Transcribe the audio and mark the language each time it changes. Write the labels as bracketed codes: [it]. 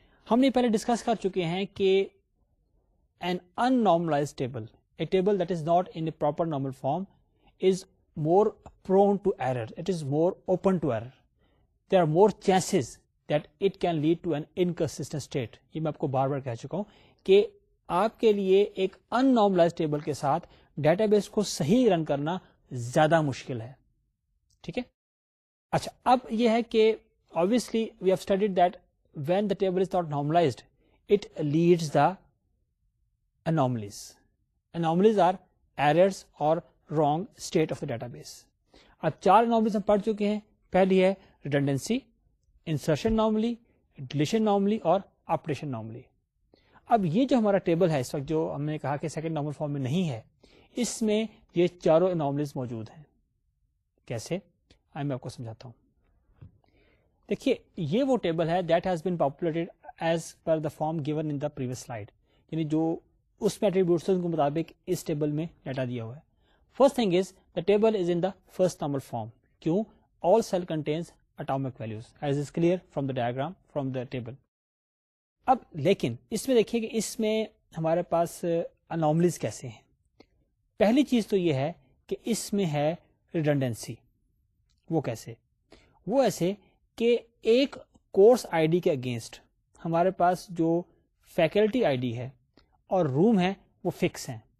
[ur] ہم نے پہلے ڈسکس کر چکے ہیں کہ [en] An unnormalised table, a table that is not in proper normal form, is more prone to error, it is more open to error, there are more chances that it can lead to an inconsistent state. [ur] یہ میں آپ کو بار بار کہہ چکا ہوں کہ آپ کے لیے ایک ان نارملائز ٹیبل کے ساتھ ڈیٹا بیس کو صحیح رن کرنا زیادہ مشکل ہے. ٹھیک ہے. اچھا, اب یہ ہے کہ [en] obviously we have studied that when the table is not normalized it leads the anomalies. Anomalies are errors or wrong state of the database. [ur] اب چار anomalies ہم پڑھ چکے ہیں. پہلی ہے redundancy, insertion anomaly, deletion anomaly اور updation anomaly. اب یہ جو ہمارا ٹیبل ہے اس وقت جو ہم نے کہا کہ سیکنڈ نارمل فارم میں نہیں ہے, اس میں یہ چاروں anomalies موجود ہیں. کیسے, آئی میں آپ کو سمجھاتا ہوں. دیکھیے, یہ وہ ٹیبل ہے [en] that has been populated as per the form given in the previous slide, [ur] یعنی جو اس میں ایٹریبیوٹس کے مطابق اس ٹیبل میں ڈیٹا دیا ہوا ہے. [en] First thing is the table is in the first normal form. کیوں, all cell contains atomic values as is clear from the diagram from the table. [ur] اب لیکن اس میں دیکھیے کہ اس میں ہمارے پاس انوملیز کیسے ہیں. پہلی چیز تو یہ ہے کہ اس میں ہے ریڈنڈنسی. وہ کیسے, وہ ایسے کہ ایک کورس آئی ڈی کے اگینسٹ ہمارے پاس جو فیکلٹی آئی ڈی ہے اور روم ہے وہ فکس ہیں.